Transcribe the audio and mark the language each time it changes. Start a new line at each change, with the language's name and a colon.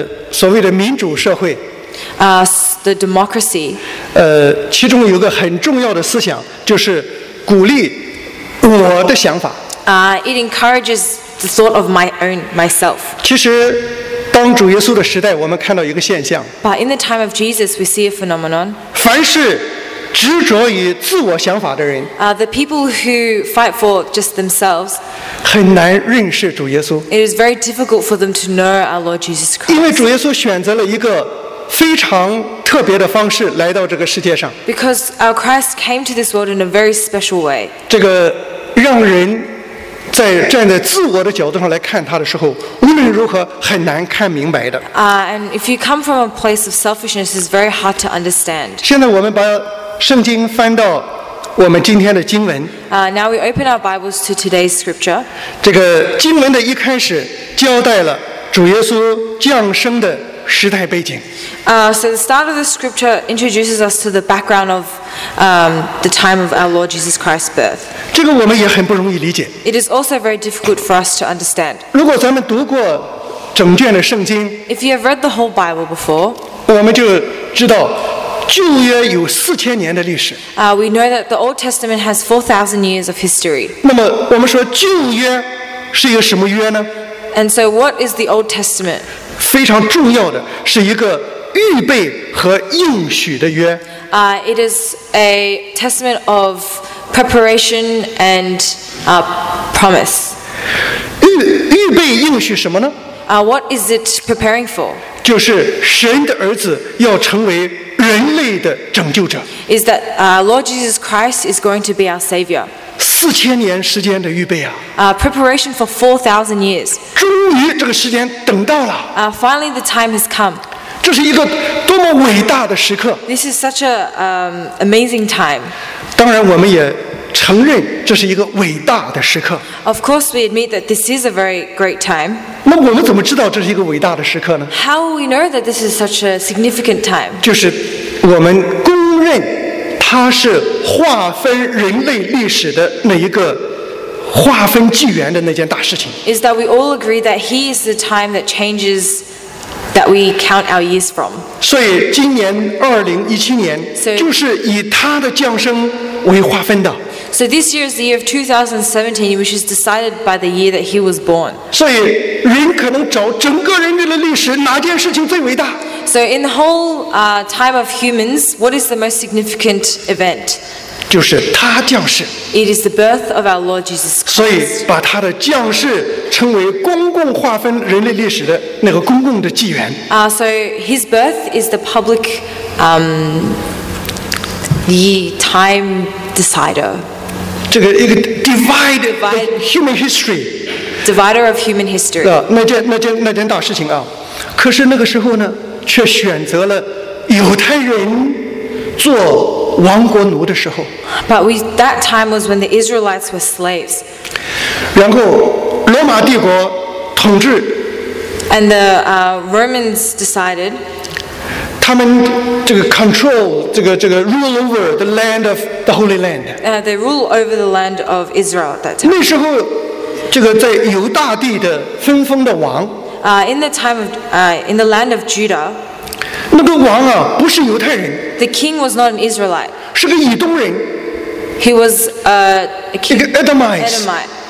Chinese: 所谓的民主社会。
English: The democracy.
Chinese: 其中有个很重要的思想，就是鼓励我的想法。
English: It encourages the thought of myself.
Chinese: 其实当主耶稣的时代，我们看到一个现象。
English: But in the time of Jesus, we see a phenomenon.
Chinese: 凡是执着于自我想法的人，
English: the people who fight for just themselves,
Chinese: 很难认识主耶稣。
English: It is very difficult for them to know our Lord Jesus Christ.
Chinese: 因为主耶稣选择了一个非常特别的方式来到这个世界上。
English: Because our Christ came to this world in a very special way.
Chinese: 这个让人在站在自我的角度上来看他的时候，无论如何很难看明白的。
English: And if you come from a place of selfishness, it's very hard to understand.
Chinese: 现在我们把圣经翻到我们今天的经文。
English: Now we open our Bibles to today's scripture.
Chinese: 这个经文的一开始交代了主耶稣降生的时代背景。
English: So the start of the scripture introduces us to the background of the time of our Lord Jesus Christ's birth.
Chinese: 这个我们也很不容易理解。
English: It is also very difficult for us to understand.
Chinese: 如果咱们读过整卷的圣经，
English: If you have read the whole Bible before,
Chinese: 我们就知道旧约有四千年的历史。
English: We know that the Old Testament has 4,000 years of history.
Chinese: 那么我们说旧约是一个什么约呢？
English: And so what is the Old Testament?
Chinese: 非常重要的是一个预备和应许的约。
English: It is a testament of preparation and promise.
Chinese: 预备应许什么呢？
English: What is it preparing for?
Chinese: 就是神的儿子要成为人类的拯救者。
English: Is that Lord Jesus Christ is going to be our Savior?
Chinese: 四千年时间的预备啊。
English: Preparation for 4,000 years.
Chinese: 终于这个时间等到了。
English: Finally the time has come.
Chinese: 这是一个多么伟大的时刻。
English: This is such a amazing time.
Chinese: 当然我们也承认这是一个伟大的时刻。
English: Of course we admit that this is a very great time.
Chinese: 那我们怎么知道这是一个伟大的时刻呢？
English: How we know that this is such a significant time?
Chinese: 就是我们公认它是划分人类历史的那一个划分纪元的那件大事情。
English: Is that we all agree that he is the time that changes that we count our years from?
Chinese: 所以今年2017年就是以他的降生为划分的。
English: So this year is the year of 2017, which is decided by the year that he was born.
Chinese: 所以人可能找整个人类的历史哪件事情最伟大？
English: So in the whole time of humans, what is the most significant event?
Chinese: 就是他降世。
English: It is the birth of our Lord Jesus Christ.
Chinese: 所以把他的降世称为公共划分人类历史的那个公共的纪元。
English: So his birth is the public time decider.
Chinese: 这个一个
English: divide of human history. Divider of human history.
Chinese: 那件大事情啊。可是那个时候呢，却选择了犹太人做亡国奴的时候。
English: But that time was when the Israelites were slaves.
Chinese: 然后罗马帝国统治。
English: And the Romans decided.
Chinese: 他们这个
English: control
Chinese: 这个
English: rule over the land of the Holy Land. They rule over the land of Israel at that time.
Chinese: 那时候，这个在犹大地的分封的王。
English: In the land of Judah.
Chinese: 那个王啊，不是犹太人。
English: The king was not an Israelite.
Chinese: 是个以东人。
English: He was an Edomite.